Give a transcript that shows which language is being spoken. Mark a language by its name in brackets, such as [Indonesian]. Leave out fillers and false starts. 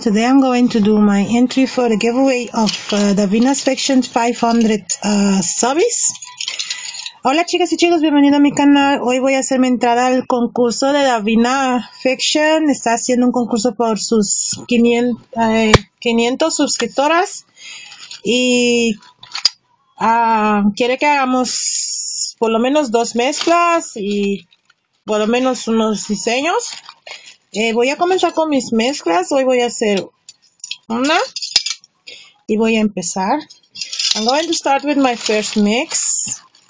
[English] Today I'm going to do my entry for the giveaway of the Davinasfiction 500 subbies. [Spanish] Hola chicas y chicos, bienvenido a mi canal. Hoy voy a hacer mi entrada al concurso de Davinasfiction. Está haciendo un concurso por sus 500 suscriptoras y quiere que hagamos por lo menos dos mezclas y por lo menos unos diseños. Voy a comenzar con mis mezclas. Hoy voy a hacer una y voy a empezar. [English] I'm going to start with my first mix.